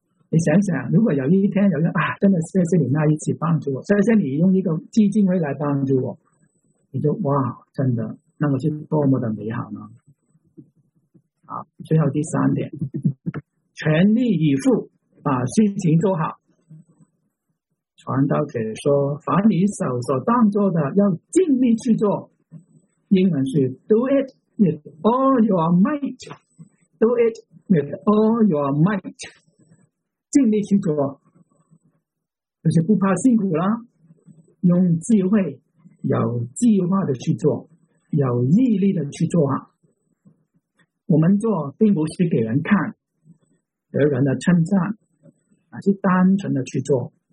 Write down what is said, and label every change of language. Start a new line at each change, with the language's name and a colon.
Chinese: 你想想，如果有一天有人啊，真的谢谢你那一次帮助我，谢谢你用一个基金会来帮助我，你就哇，真的，那个是多么的美好呢？好，最后第三点，全力以赴把事情做好。传道者说，凡你手所当做的，要尽力去做。英文是
English: do it。 With all your might， Do it with all your might，
Chinese: 尽力去做，就是不怕辛苦啦，用智慧有计划的去做，有毅力的去做。我们做并不是给人看，得人的称赞，而是单纯的去做。